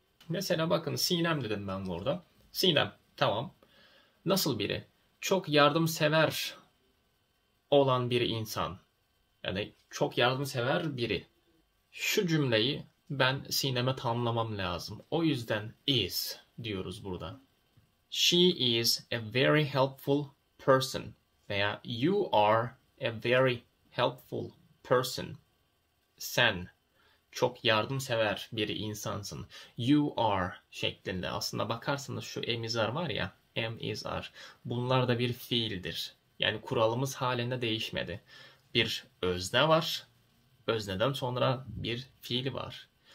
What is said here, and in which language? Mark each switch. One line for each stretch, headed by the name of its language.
Turkish: Mesela bakın Sinem dedim ben burada. Sinem, tamam. Nasıl biri? Çok yardımsever olan bir insan. Yani çok yardımsever biri. Şu cümleyi ben Sinem'e tamlamam lazım. O yüzden is diyoruz burada.
English: She is a very helpful person.
Turkish: Veya
English: you are a very helpful person.
Turkish: Sen çok yardımsever bir insansın.
English: You are
Turkish: şeklinde. Aslında bakarsanız şu am is are var ya. Am is are. Bunlar da bir fiildir. Yani kuralımız halinde değişmedi. Bir özne var. Özneden sonra bir fiil var.